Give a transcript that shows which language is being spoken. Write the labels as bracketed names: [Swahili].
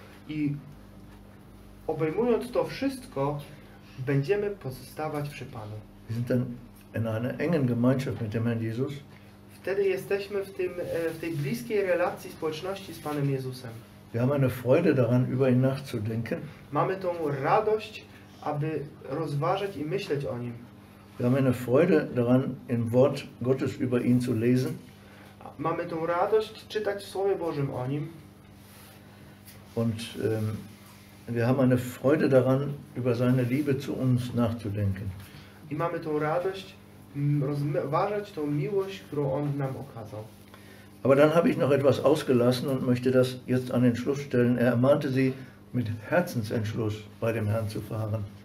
[Polish] I Obejmując to wszystko, będziemy pozostawać przy Panu. [German] Wir sind dann in einer engen Gemeinschaft mit dem Herrn Jesus. [Polish] Wtedy jesteśmy w tej bliskiej relacji społeczności z Panem Jezusem. [German] Wir haben eine Freude daran, über ihn nachzudenken. [Polish] Mamy tą radość, aby rozważać i myśleć o nim. [German] Wir haben eine Freude daran, im Wort Gottes über ihn zu lesen. [Polish] Mamy tą radość czytać w Słowie Bożym o nim. [German] Und wir haben eine Freude daran, über seine Liebe zu uns nachzudenken. [Polish] I mamy tą radość rozważać tą miłość, którą on nam okazał. [German] Aber dann habe ich noch etwas ausgelassen und möchte das jetzt an den Schluss stellen. Er ermahnte sie mit Herzensentschluss bei dem Herrn zu fahren.